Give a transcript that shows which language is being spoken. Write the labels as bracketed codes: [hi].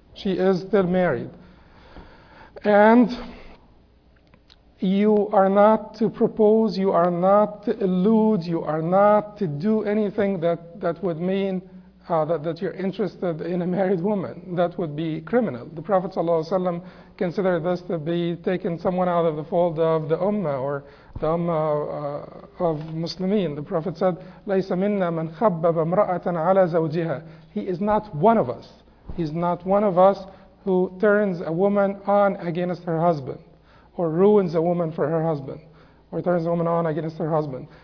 [en] She is still married. And you are not to propose, you are not to elude, you are not to do anything that would mean that you're interested in a married woman. That would be criminal. The Prophet ﷺ considered this to be taking someone out of the fold of the ummah, or the ummah of Muslimin. The Prophet said, [ar] لَيْسَ مِنَّا مَنْ خَبَّبَ مْرَأَةً عَلَى زَوْجِهَا. [en] He is not one of us. He's not one of us who turns a woman on against her husband, or ruins a woman for her husband, or turns a woman on against her husband.